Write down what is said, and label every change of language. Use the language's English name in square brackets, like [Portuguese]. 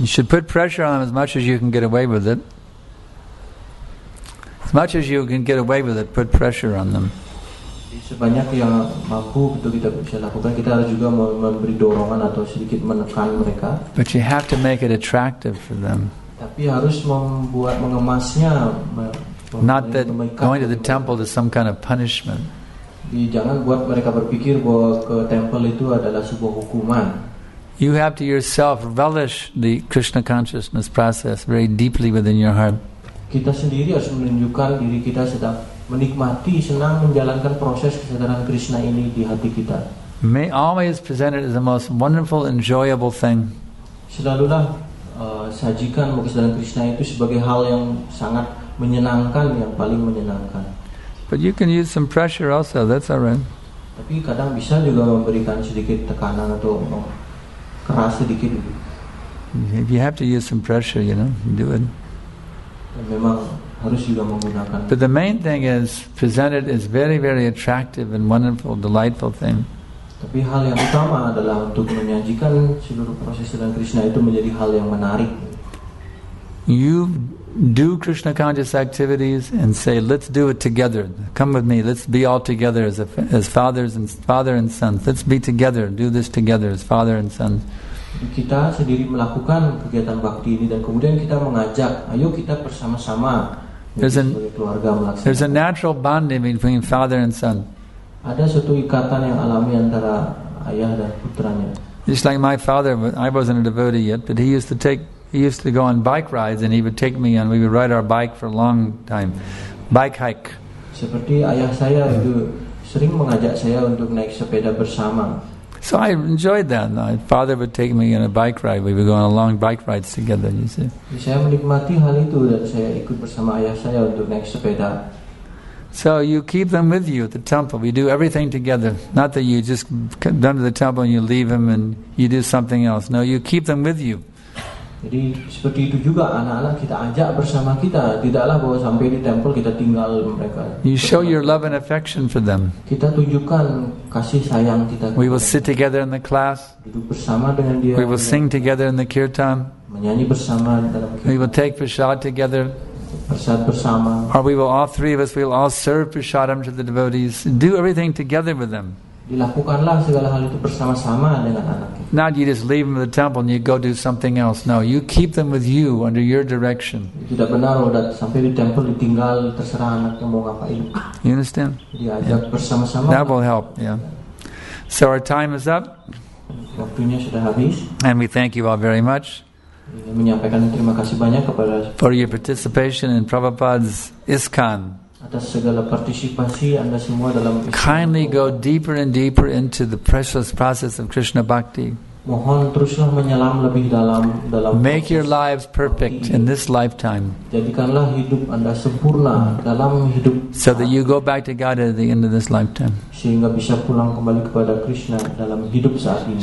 [English] You should put pressure on them as much as you can get away with it. As much as you can get away with it, put pressure on them. [Indonesian] Sebanyak yang mampu untuk kita bisa lakukan, kita harus juga memberi dorongan atau sedikit menekan mereka. [English] But you have to make it attractive for them. [Indonesian] Tapi harus membuat mengemasnya. [English] Not that going to the temple is some kind of punishment. [Indonesian] Jangan buat mereka berpikir bahwa ke temple itu adalah sebuah hukuman. [English] You have to yourself relish the Krishna consciousness process very deeply within your heart. [Indonesian] Kita sendiri harus menunjukkan diri kita sedang menikmati, senang menjalankan proses kesadaran Krishna ini di hati kita. [English] May always present it as the most wonderful, enjoyable thing. [Indonesian] Selalulah sajikan kesadaran Krishna itu sebagai hal yang sangat menyenangkan, yang paling menyenangkan. [English] But you can use some pressure also, that's all right. [Indonesian] Tapi kadang bisa juga memberikan sedikit tekanan atau keras sedikit. [English] If you have to use some pressure, you know, do it. [Indonesian] Memang harus juga menggunakan. [English] But the main thing is presented as very, very attractive and wonderful, delightful thing. [Indonesian] Tapi hal yang utama adalah untuk menyajikan seluruh proses dengan Krishna itu menjadi hal yang menarik. [English] You do Krishna conscious activities and say, let's do it together. Come with me, let's be all together as fathers and father and sons. Let's be together, do this together as father and sons. [Indonesian] Kita sendiri melakukan kegiatan bakti ini dan kemudian kita mengajak, ayo kita bersama-sama. [English] There's a natural bonding between father and son. [Indonesian] Ada suatu ikatan yang alami antara ayah dan putranya. [English] Just like my father, I wasn't a devotee yet, but he used to go on bike rides, and he would take me, and we would ride our bike for a long time, bike hike. [Indonesian] Seperti ayah saya itu sering mengajak saya untuk naik sepeda bersama. [English] So I enjoyed that. My father would take me on a bike ride. We would go on long bike rides together. You see. [Indonesian] Saya menikmati hal itu dan saya ikut bersama ayah saya untuk naik sepeda. [English] So you keep them with you at the temple. We do everything together. Not that you just come down to the temple and you leave them and you do something else. No, you keep them with you. [Indonesian] Jadi seperti itu juga anak-anak kita ajak bersama kita. Tidaklah bahwa sampai di temple kita tinggal mereka. [English] You show your love and affection for them. [Indonesian] Kita tunjukkan kasih sayang kita. [English] We will sit together in the class. [Indonesian] Duduk bersama dengan dia. [English] We will sing together in the kirtan. [Indonesian] Menyanyi bersama dalam kirtan. [English] We will take prasad together. [Indonesian] Bersama. [English] Or we will all three of us, we will all serve prasadam to the devotees. Do everything together with them. [Indonesian] Dilakukanlah segala hal itu bersama-sama dengan anak. [English] Not you just leave them at the temple and you go do something else. No, you keep them with you under your direction. [Indonesian] Tidak benar udah sampai di temple ditinggal terserah anaknya mau ngapain. [English] You understand? [Indonesian] Diajak yeah. Bersama-sama. [English] That will help. Yeah. So our time is up. [Indonesian] Waktunya sudah habis. [English] And we thank you all very much. [Indonesian] Menyampaikan terima kasih banyak kepada [English] for your participation in Prabhupada's ISKCON. [Indonesian] Atas segala partisipasi Anda semua dalam ISKCON. [English] Kindly go deeper and deeper into the precious process of Krishna Bhakti. [Indonesian] Mohon teruslah menyelam lebih dalam. [English] Make your lives perfect in this lifetime. [Indonesian] Jadikanlah hidup Anda sempurna dalam hidup. [English] So that you go back to God at the end of this lifetime. [Indonesian] Sehingga bisa pulang kembali kepada Krishna dalam hidup saat ini.